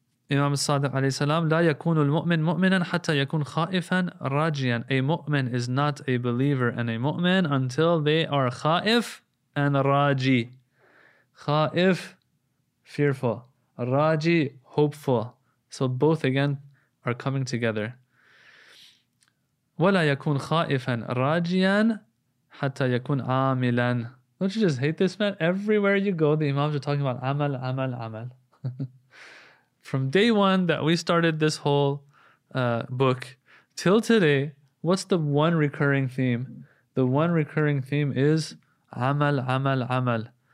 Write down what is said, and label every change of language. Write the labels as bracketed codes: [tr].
[ar] Imam Sadiq alayhi salam, لا يكون المؤمن مؤمنا حتى يكون خائفا راجيا. [en] A mu'min is not a believer and a mu'min until they are خائف and راجي. خائف, fearful. راجي, hopeful. So both again are coming together. [ar] ولا يكون خائفا راجيا حتى يكون عاملا. [en] Don't you just hate this, man? Everywhere you go, the imams are talking about amal, amal, amal. From day one that we started this whole book till today, what's the one recurring theme? The one recurring theme is amal, amal, amal.